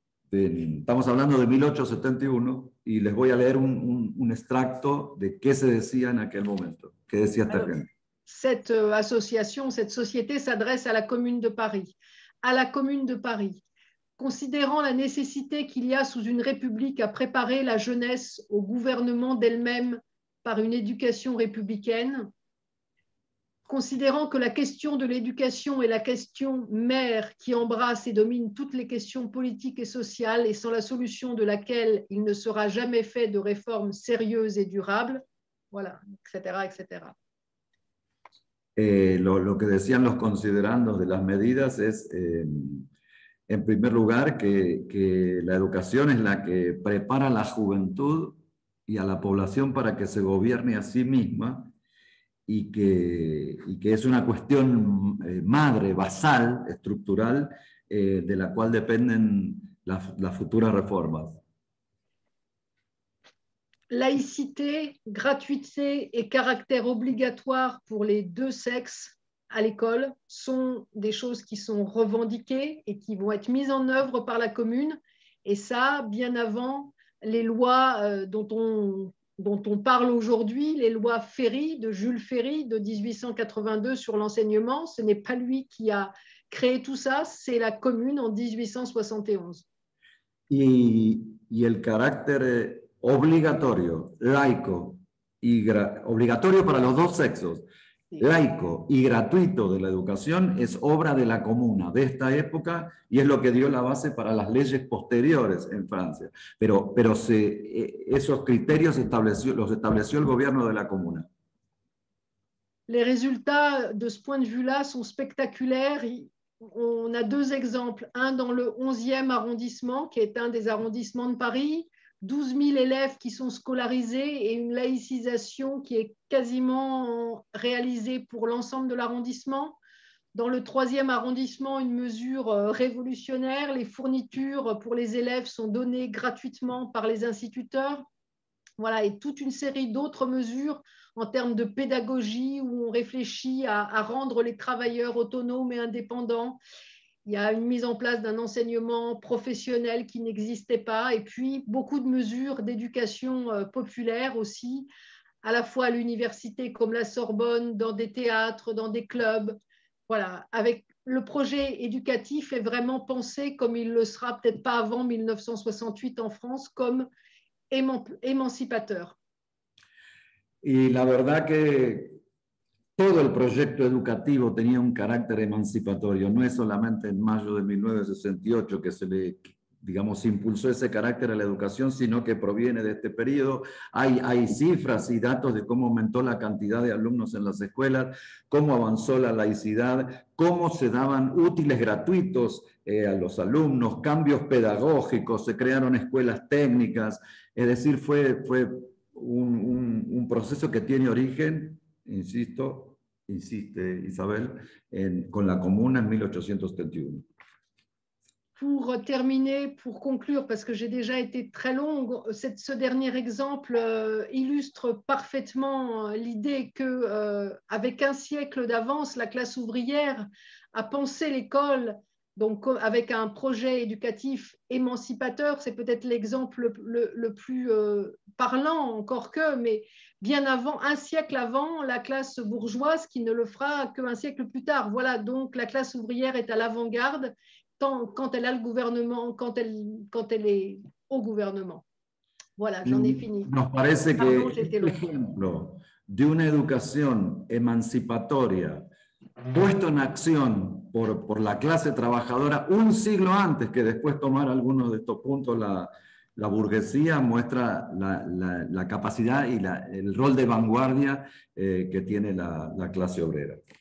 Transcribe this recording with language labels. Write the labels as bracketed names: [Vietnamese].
[Spanish] Estamos hablando de 1871 y les voy a leer un extracto de qué se decía en aquel momento. ¿Qué decía esta gente? [French] Cette association, cette société s'adresse à la Commune de Paris. À la Commune de Paris. Considérant la nécessité qu'il y a sous une république à préparer la jeunesse au gouvernement d'elle-même par une éducation républicaine, considérant que la question de l'éducation est la question mère qui embrasse et domine toutes les questions politiques et sociales et sans la solution de laquelle il ne sera jamais fait de réforme sérieuse et durable, voilà, etc., etc. [Spanish] Lo que decían los considerandos de las medidas es... En primer lugar, que la educación es la que prepara a la juventud y a la población para que se gobierne a sí misma y que es una cuestión madre, basal, estructural, de la cual dependen las futuras reformas. [French] Laïcité, gratuité [Spanish] y carácter [French] obligatoire pour les deux sexes à l'école sont des choses qui sont revendiquées et qui vont être mises en œuvre par la commune, et ça bien avant les lois dont on parle aujourd'hui, les lois Ferry, de Jules Ferry, de 1882 sur l'enseignement. Ce n'est pas lui qui a créé tout ça, c'est la commune en 1871. Et le caractère [Spanish] obligatorio, laico, obligatorio para los dos sexos, laico y gratuito de la educación es obra de la comuna de esta época y es lo que dio la base para las leyes posteriores en Francia. Pero esos criterios los estableció el gobierno de la comuna. [French] Les résultats de ce point de vue-là sont spectaculaires. On a deux exemples, un dans le 11e arrondissement, qui est un des arrondissements de Paris, 12 000 élèves qui sont scolarisés et une laïcisation qui est quasiment réalisée pour l'ensemble de l'arrondissement. Dans le 3e arrondissement, une mesure révolutionnaire, les fournitures pour les élèves sont données gratuitement par les instituteurs. Voilà, et toute une série d'autres mesures en termes de pédagogie où on réfléchit à rendre les travailleurs autonomes et indépendants. Il y a une mise en place d'un enseignement professionnel qui n'existait pas, et puis beaucoup de mesures d'éducation populaire aussi, à la fois à l'université comme la Sorbonne, dans des théâtres, dans des clubs. Voilà, avec le projet éducatif est vraiment pensé, comme il le sera peut-être pas avant 1968 en France, comme émancipateur. [Spanish] Et la verdad que... Todo el proyecto educativo tenía un carácter emancipatorio, no es solamente en mayo de 1968 que se le digamos, impulsó ese carácter a la educación, sino que proviene de este periodo. Hay cifras y datos de cómo aumentó la cantidad de alumnos en las escuelas, cómo avanzó la laicidad, cómo se daban útiles gratuitos a los alumnos, cambios pedagógicos, se crearon escuelas técnicas. Es decir, fue un proceso que tiene origen, insiste Isabel, con la comuna en 1871. [French] Pour terminer, pour conclure, parce que j'ai déjà été très longue, ce dernier exemple illustre parfaitement l'idée que, avec un siècle d'avance, la classe ouvrière a pensé l'école donc avec un projet éducatif émancipateur. C'est peut-être l'exemple le plus parlant encore que, mais bien avant, un siècle avant, la classe bourgeoise qui ne le fera qu'un siècle plus tard. Voilà, donc la classe ouvrière est à l'avant-garde. Quand elle a le gouvernement, quand elle est au gouvernement. Voilà, j'en ai fini. [Spanish] Nos parece que [French] l'exemple d'une éducation [Spanish] émancipatoria puesta en acción por la clase trabajadora un siglo antes que después tomar algunos de estos puntos la burguesía muestra la capacidad y el rol de vanguardia que tiene la clase obrera.